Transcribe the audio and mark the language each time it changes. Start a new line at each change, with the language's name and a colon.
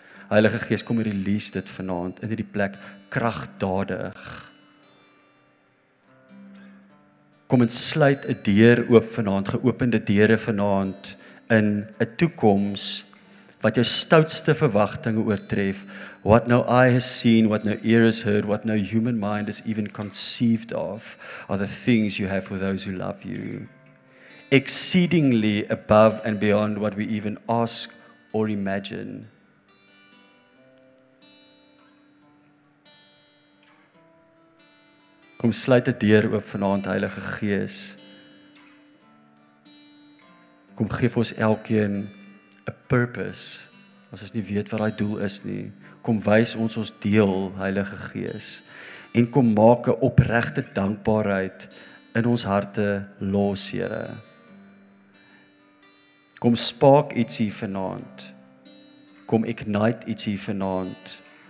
Afrikaans: Heilige Gees, kom release dit vanaand in hierdie plek kragtadig. Kom en sluit 'n deur oop vanaand, geopende deure vanaand in 'n toekoms wat jou stoutste verwagtinge oortref.
English: What no eye has seen, what no ear has heard, what no human mind has even conceived of, are the things you have for those who love you. Exceedingly above and beyond what we even ask or imagine.
Afrikaans: Kom sluit die deur oop vanaand, Heilige Gees. Kom gee vir ons elkeen 'n purpose. As ons nie weet wat daai doel is nie, kom wys ons deel, Heilige Gees. En kom maak 'n opregte dankbaarheid in ons harte los, Here. Kom spark iets hier vanaand. Kom ignite iets hier vanaand.